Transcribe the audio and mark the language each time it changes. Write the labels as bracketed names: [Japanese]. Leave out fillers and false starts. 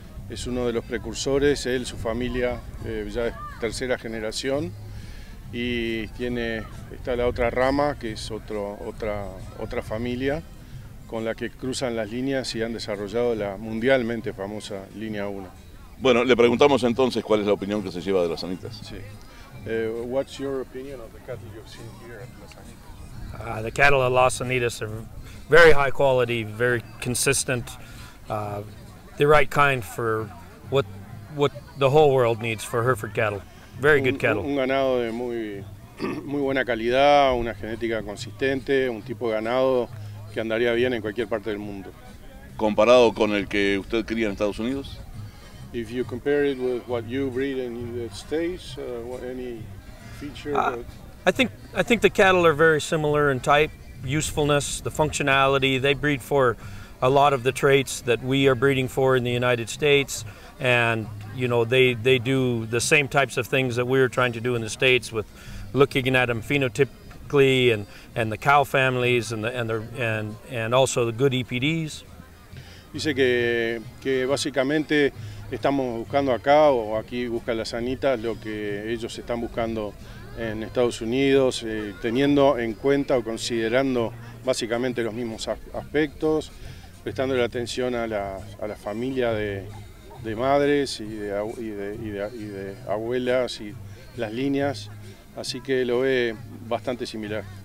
[Spanish] Es uno de los precursores. Él, su familia, ya es tercera generación. Y está la otra rama, que es otra familia, con la que cruzan las líneas y han desarrollado la mundialmente famosa Línea 1. Bueno, le preguntamos entonces cuál es la opinión que se lleva de Las Anitas. Sí. [English] What's your opinion of the cattle you've seen here at Las Anitas? The cattle at Las Anitas are very high quality, very consistent, the right kind for what the whole world needs for Hereford cattle. Very good cattle. [Spanish] Un ganado de muy muy buena calidad, una genética consistente, un tipo de ganado que andaría bien en cualquier parte del mundo. Comparado con el que usted cría en Estados Unidos. [English] If you compare it with what you breed in the States, any feature? I think the cattle are very similar in type, usefulness, the functionality. They breed for a lot of the traits that we are breeding for in the United States, and you know they do the same types of things that we're trying to do in the States with looking at them phenotypically and the cow families and also the good EPDs. [Spanish] Dice que básicamente estamos buscando acá, o aquí busca Las Anitas, lo que ellos están buscando en Estados Unidos, teniendo en cuenta o considerando básicamente los mismos aspectos, prestando la atención a la familia de madres y de abuelas y las líneas, así que lo ve bastante similar.